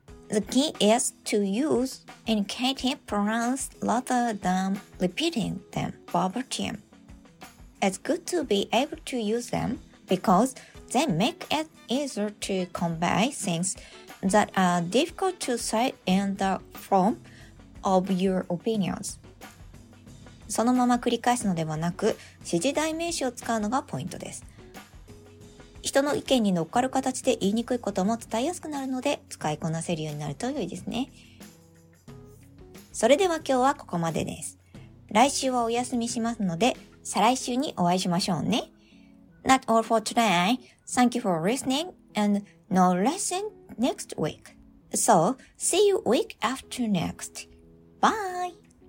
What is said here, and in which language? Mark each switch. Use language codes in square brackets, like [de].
[en] The key is to use indicative pronouns rather than repeating them verbatim. It's good to be able to use them because they make it easier to convey things that are difficult to say in the form of your opinions. [ja] そのまま繰り返すのではなく、指示代名詞を使うのがポイントです。人の意見に乗っかる形で言いにくいことも伝えやすくなるので、使いこなせるようになると良いですね。それでは今日はここまでです。来週はお休みしますので、再来週にお会いしましょうね。 [en] That's all for today. Thank you for listening and no lesson next week. So, see you week after next. Bye!